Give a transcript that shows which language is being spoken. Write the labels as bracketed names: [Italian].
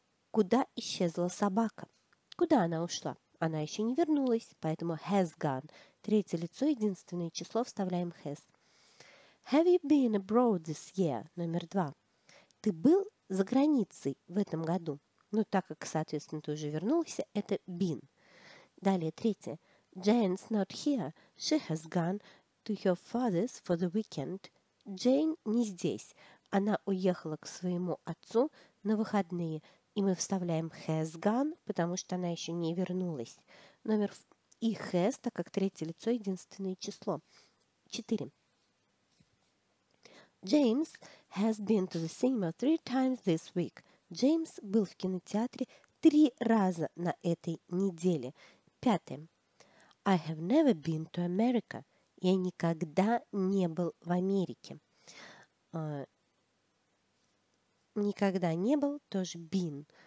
[Russian] Куда исчезла собака? Куда она ушла? Она еще не вернулась, поэтому has gone. Третье лицо, единственное число, вставляем has. [English] Have you been abroad this year? [Russian] Номер два. Ты был за границей в этом году? Ну, так как, соответственно, ты уже вернулся, это been. Далее, третье. [English] Jane's not here. She has gone to her father's for the weekend. [Russian] Jane не здесь. Она уехала к своему отцу на выходные. И мы вставляем has gone, потому что она еще не вернулась. Номер и has, так как третье лицо, единственное число. 4. [English] James has been to the cinema 3 times this week. [Russian] Джеймс был в кинотеатре 3 раза на этой неделе. [English] 5. I have never been to America. [Russian] Я никогда не был в Америке. Никогда не был, тоже been.